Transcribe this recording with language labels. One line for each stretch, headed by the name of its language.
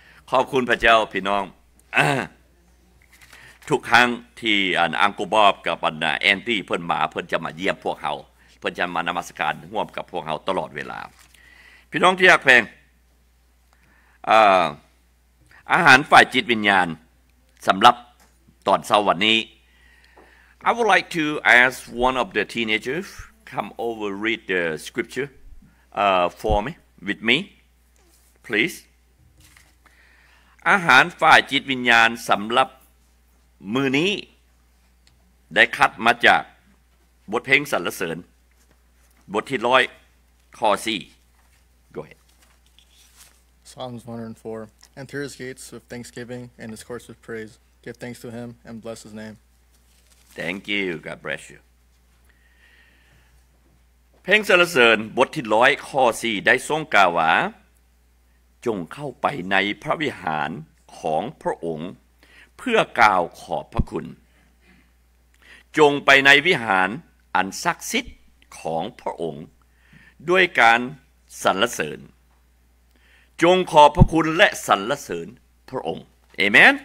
Thai: ขอบคุณพระเจ้าพี่น้องทุกครั้งที่อังกูบอบกับแอนตี้เพิ่นมาเพิ่นจะมาเยี่ยมพวกเขาเพิ่นจะมานมัสการร่วมกับพวกเขาตลอดเวลาพี่น้องที่อยากแพงอาหารฝ่ายจิตวิญญาณสำหรับตอนเช้าวันนี้
English: I would like to ask one of the teenagersCome over, read the scripture for me, with me, please.
Thai: อาหารฝ่ายจิตวิญญาณสำหรับมือนี้ได้คัดมาจากบทเพลงสรรเสริญบทที่ร้อยข้อ4
English: Go ahead. Psalms 104. Enter his gates with thanksgiving and his courts with praise. Give thanks to him and bless his name. Thank you. God bless you.
Thai: เพลงสรรเสริญบทที่ร้อยข้อ4ได้ทรงกล่าวว่าจงเข้าไปในพระวิหารของพระองค์เพื่อกล่าวขอบพระคุณจงไปในวิหารอันศักดิ์สิทธิ์ของพระองค์ด้วยการสรรเสริญจงขอบพระคุณและสรรเสริญพระองค์เอเมน